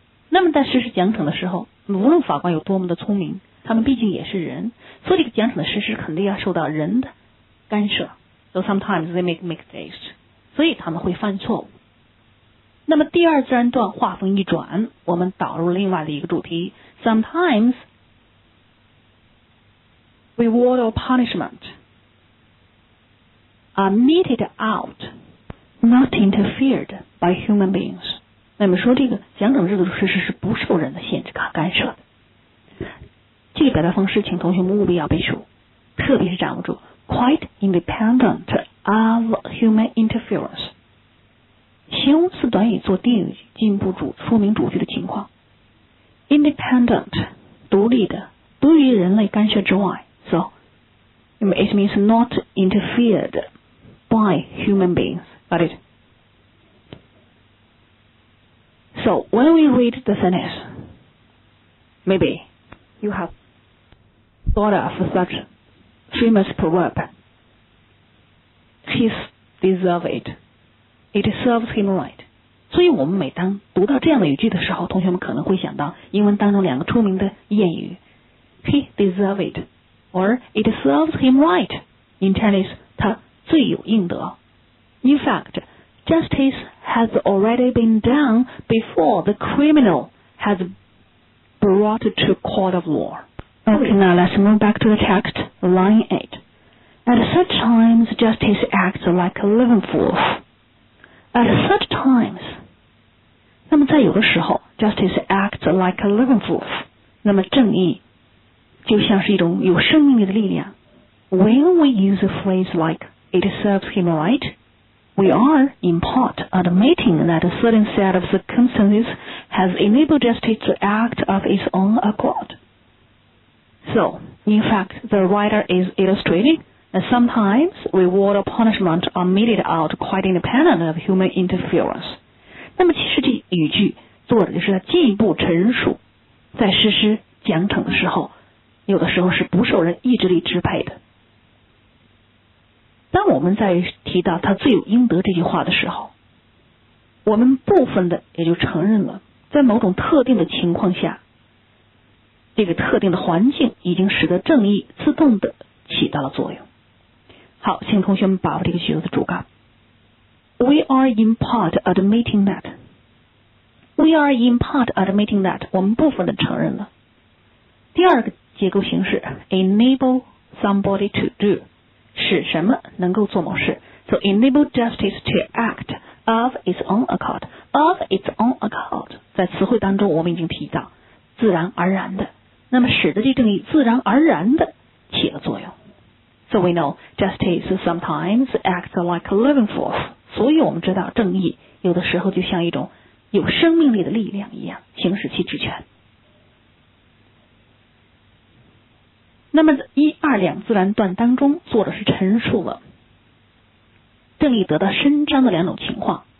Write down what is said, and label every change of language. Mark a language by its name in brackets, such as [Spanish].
[Chinese] 那么在实施奖惩的时候，无论法官有多么的聪明，他们毕竟也是人，所以这个奖惩的实施肯定要受到人的干涉。 [English] So sometimes they make mistakes， [Chinese] 所以他们会犯错误。那么第二自然段话锋一转，我们导入另外的一个主题。 [English] Sometimes reward or punishment are meted out, not interfered by human beings。 [Chinese] 那么说这个奖惩制度实施是不受人的限制和干涉的。这个表达方式请同学们务必要背熟，特别是掌握住 [English] quite independent of human interference。 [Chinese] 形容词短语做定语，进步主说明主句的情况。 independent 独立的，不于人类干涉之外。 [English] So it means not interfered by human beings. Got it? So when we read the sentence, maybe you have thought of such famous proverb. He deserves it. It serves him right. [Chinese] 所以我们每当读到这样的语句的时候，同学们可能会想到英文当中两个出名的谚语 ， [English] He deserves it, or it serves him right. In Chinese, [Chinese] 他罪有应得。 [English] In fact. Justice has already been done before the criminal has brought to court of law. Okay, now let's move back to the text, line 8. At such times, justice acts like a living fool. At such times, [Chinese] 那么在有的时候 [English] justice acts like a living fool. [Chinese] 那么正义就像是一种有生命力的力量。 [English] When we use a phrase like, it serves him right,We are, in part, admitting that a certain set of circumstances has enabled justice to act of its own accord. So, in fact, the writer is illustrating that sometimes reward or punishment are meted out quite independent of human interference. [Chinese] 那么其实这语句作者就是在进一步陈述，在实施奖惩的时候，有的时候是不受人意志力支配的。当我们在提到他罪有应得这句话的时候，我们部分的也就承认了，在某种特定的情况下，这个特定的环境已经使得正义自动的起到了作用。好，请同学们把握这个句子的主干。 [English] We are in part admitting that. We are in part admitting that. [Chinese] 我们部分的承认了。第二个结构形式 ， [English] enable somebody to do. [Chinese] 使什么能够做某事 [English] ，so enable justice to act of its own accord. Of its own accord， [Chinese] 在词汇当中我们已经提到，自然而然的，那么使得这正义自然而然的起了作用。 [English] So we know justice sometimes acts like a living force. [Chinese] 所以我们知道正义有的时候就像一种有生命力的力量一样，行使其职权。那么一二两自然段当中，作者是陈述了正义得到伸张的两种情况。